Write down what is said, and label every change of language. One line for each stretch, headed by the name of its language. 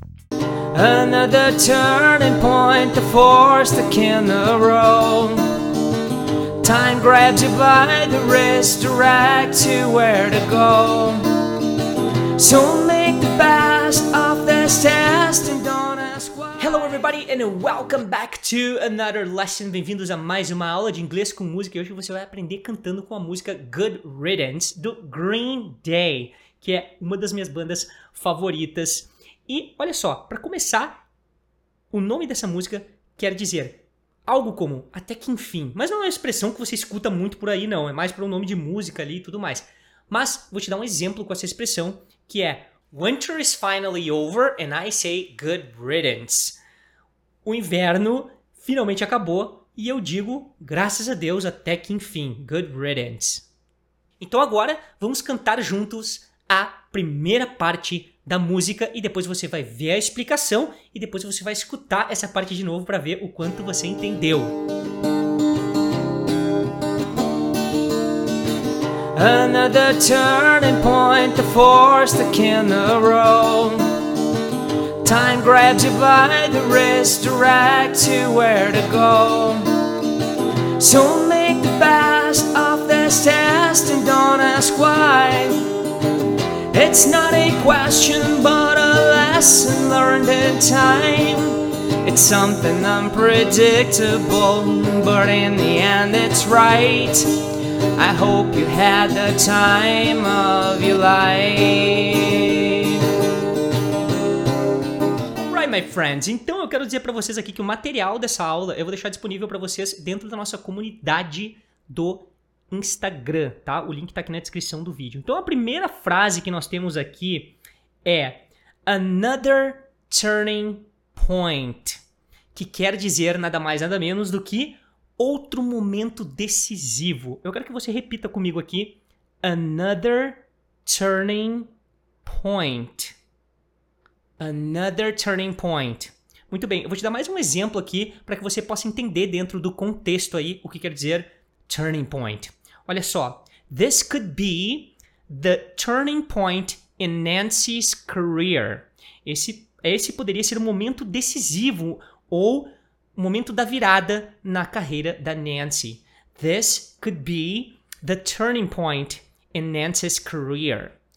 English: Another turning point, the forest in the road. Time grabbed you by the wrist, direct to where to go. So make the best of this test and don't ask why. Hello everybody and welcome back to another lesson.
Portuguese: Bem-vindos a mais uma aula de inglês com música. E hoje você vai aprender cantando com a música Good Riddance do Green Day, que é uma das minhas bandas favoritas. E olha só, para começar, o nome dessa música quer dizer algo como até que enfim. Mas não é uma expressão que você escuta muito por aí, não. É mais para um nome de música ali e tudo mais. Mas vou te dar um exemplo com essa expressão, que é
English: Winter is finally over and I say good riddance.
Portuguese: O inverno finalmente acabou e eu digo graças a Deus até que enfim.
English: Good riddance.
Portuguese: Então agora vamos cantar juntos a primeira parte da música e depois você vai ver a explicação e depois você vai escutar essa parte de novo para ver o quanto você entendeu.
English: Another turning point, the forest in the road. Time grabs you by the wrist, direct to where to go. So make the best of this test and don't ask why. It's not a question, but a lesson learned in time. It's something unpredictable, but in the end it's right. I hope you had the time of your life. Right, my friends.
Portuguese: Então eu quero dizer para vocês aqui que o material dessa aula eu vou deixar disponível para vocês dentro da nossa comunidade do Instagram, tá? O link tá aqui na descrição do vídeo. Então a primeira frase que nós temos aqui é
English: another turning point,
Portuguese: que quer dizer nada mais nada menos do que outro momento decisivo. Eu quero que você repita comigo aqui,
English: another turning point, another turning point.
Portuguese: Muito bem, eu vou te dar mais um exemplo aqui para que você possa entender dentro do contexto aí o que quer dizer turning point.
English: Olha só, this could be the turning point in Nancy's career.
Portuguese: Esse poderia ser um momento decisivo ou um momento da virada na carreira da Nancy.
English: This could be the turning point in Nancy's career.